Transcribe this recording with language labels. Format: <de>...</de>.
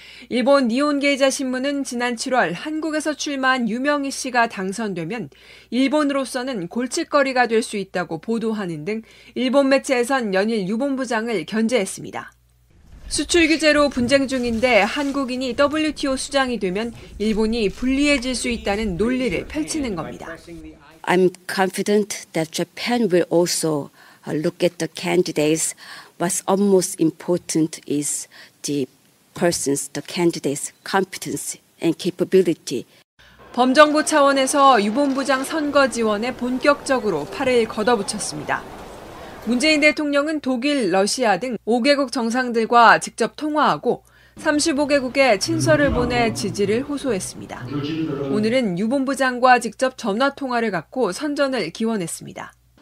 <ko>일본 니혼게이자 신문은 지난 7월 한국에서 출마한 유명희 씨가 당선되면 일본으로서는 골칫거리가 될 수 있다고 보도하는 등 일본 매체에선 연일 유 본부장을 견제했습니다. 수출 규제로 분쟁 중인데 한국인이 WTO 수장이 되면 일본이 불리해질 수 있다는 논리를 펼치는 겁니다.</ko> <en>I'm confident that Japan will also look at the candidates. What's most important is the persons, the candidates' competence and capability.</en> <ko>범정부 차원에서 유 본부장 선거 지원에 본격적으로 팔을 걷어붙였습니다. 문재인 대통령은 독일, 러시아 등 5개국 정상들과 직접 통화하고 35개국에 친서를 보내 지지를 호소했습니다. 오늘은 유 본부장과 직접 전화 통화를 갖고 선전을 기원했습니다.</ko>